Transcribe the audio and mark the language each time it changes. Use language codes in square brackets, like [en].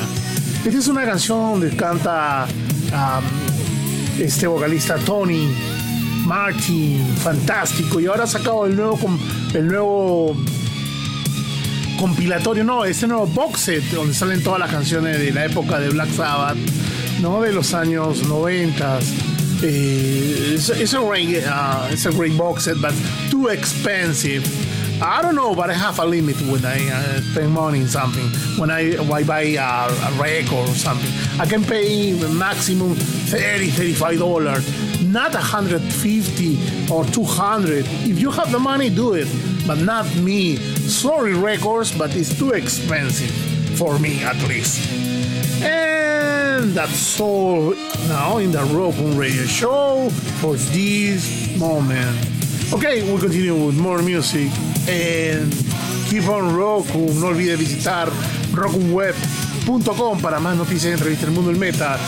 [es] Esta es una canción donde canta este vocalista Tony Martin, fantástico. Y ahora ha sacado este nuevo box set donde salen todas las canciones de la época de Black Sabbath. No, de los años 90. [en] It's a great box set, but too expensive. I don't know, but I have a limit when I spend money in something. When I buy a record or something, I can pay maximum $30-$35, not $150 or $200. If you have the money, do it, but not me. Sorry, records, but it's too expensive for me, at least. And that's all now in the Rock on Radio show for this moment. Okay, we'll continue with more music and keep on rocking. [es] No olvides visitar rockunweb.com para más noticias y entrevistas del mundo del metal.